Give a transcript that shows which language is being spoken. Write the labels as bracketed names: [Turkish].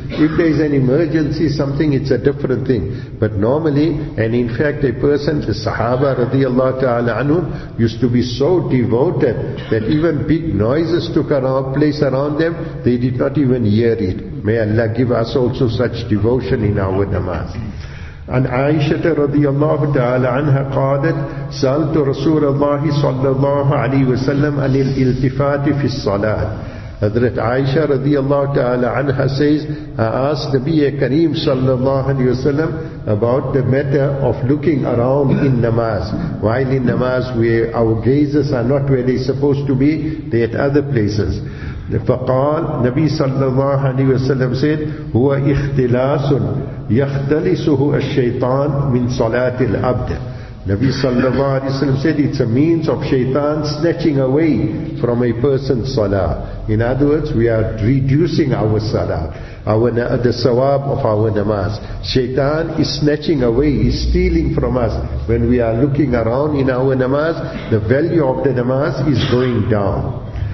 [English] If there is an emergency, something, it's a different thing. But normally, and in fact a person, the Sahaba radiallahu ta'ala anhu, used to be so devoted that even big noises took place around them, they did not even hear it. May Allah give us also such devotion in our namaz. [Arabic] عن عائشة رضي الله تعالى عنها قالت سألت رسول الله صلى الله عليه وسلم عن الالتفات في الصلاة. حضرت عائشة رضي الله تعالى عنها [English] says I asked Nabi Kareem [Arabic] صلى الله عليه وسلم [English] about the matter of looking around in namaz. While in namaz our gazes are not where they're supposed to be, they're at other places. [Arabic] فقال نبي صلى الله عليه وسلم [English] said [Arabic] هو اختلاس يختلسه الشيطان من صلاة العبد. [English] Nabi sallallahu alayhi wa sallam said it's a means of shaitan snatching away from a person's salah. In other words, we are reducing our salah, the sawab of our namaz. Shaitan is snatching away, is stealing from us. When we are looking around in our namaz, the value of the namaz is going down.